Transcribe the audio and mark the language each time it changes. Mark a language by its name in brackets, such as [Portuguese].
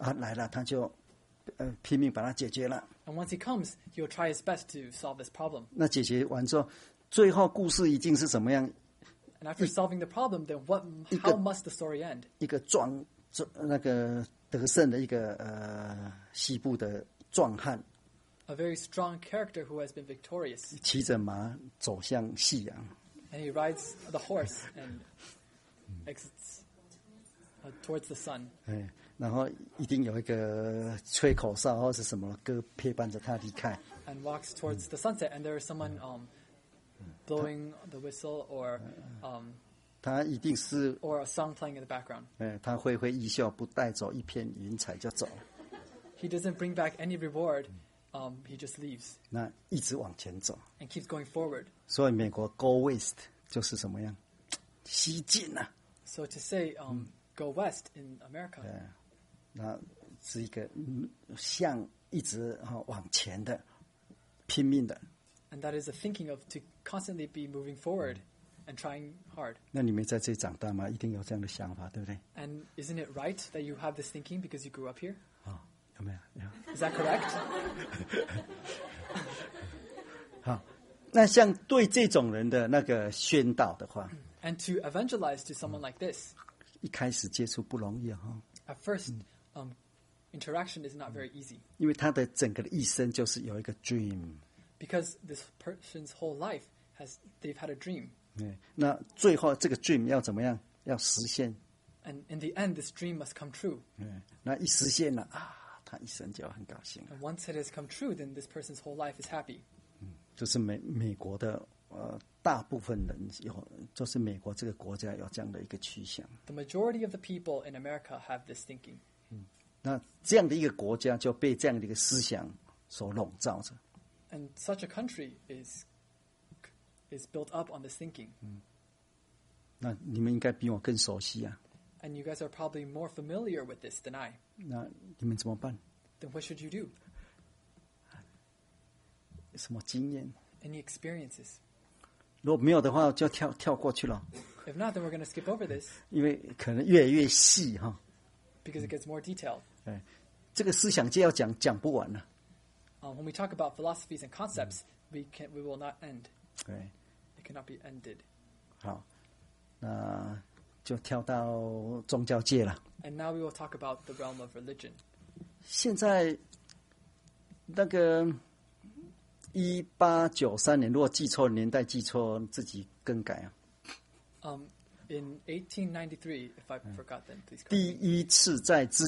[Chinese] 来了，他就拼命把它解决了。 [English] And once he comes, he'll try his best to solve this problem. [Chinese] 那解决完之后，最后故事一定是怎么样？ [English] And after solving the problem, then how must the story end? [Chinese] 一个壮那个得胜的一个西部的壮汉。 [English] A very strong character who has been victorious. [Chinese] 骑着马走向夕阳。 [English] And he rides the horse and exits towards the sun. [Chinese] 然后一定有一个吹口哨或是什么歌陪伴着他离开。 [English] And walks towards the sunset, and there is someone blowing the whistle or [Chinese] 他一定是 [English] or a song playing in the background. [Chinese] 他挥挥衣袖，不带走一片云彩就走。 [English] He doesn't bring back any reward. He just leaves. [Chinese] 那一直往前走 [English] and keeps going forward. [Chinese] 所以美国 [English] go west [Chinese] 就是什么样？西进啊。 [English] So to say, go west in America. [Chinese] 那是一个向一直往前的，拼命的。 [English] And that is a thinking of to constantly be moving forward and trying hard. [Chinese] 那你们在这里长大吗？一定有这样的想法，对不对 [English] ？And isn't it right that you have this thinking because you grew up here? [Chinese] 有没有？有。 [English] Is that correct? [Chinese] 好，那像对这种人的那个宣道的话 [English] ，And to evangelize to someone like this， [Chinese] 一开始接触不容易哈。 [English] At first, interaction is not very easy. [Chinese] 因为他的整个的一生就是有一个 dream。 [English] Because this person's whole life they've had a dream. [Chinese] 那最后这个 dream 要怎么样？要实现。 [English] And in the end, this dream must come true. [Chinese] 那一实现了啊。他一生就很高兴。 [English] And once it has come true, then this person's whole life is happy. [Chinese] 就是美国的大部分人有，就是美国这个国家有这样的一个趋向。 [English] The majority of the people in America have this thinking. [Chinese] 那这样的一个国家就被这样的一个思想所笼罩着。 [English] And such a country is built up on this thinking. [Chinese] 那你们应该比我更熟悉啊。 [English] And you guys are probably more familiar with this than I. [Chinese] 那你们怎么办？ [English] then what should you do? [Chinese] 什么经验? [English] Any experiences? [Chinese] 如果没有的话就跳过去了。 [English] If not, then we're going to skip over this. [Chinese] 因为可能越来越细, [English] because it gets more detailed. [Chinese] 这个思想界要讲不完了。 [English] When we talk about philosophies and concepts, we will not end. It cannot be ended. [Chinese] 好，那就跳到宗教界了。 [English] And now we will talk about the realm of religion. [Chinese] 现在那个 1893年, 如果记错年代记错自己更改啊。 [English] In 1893, if I forgot, then please correct me.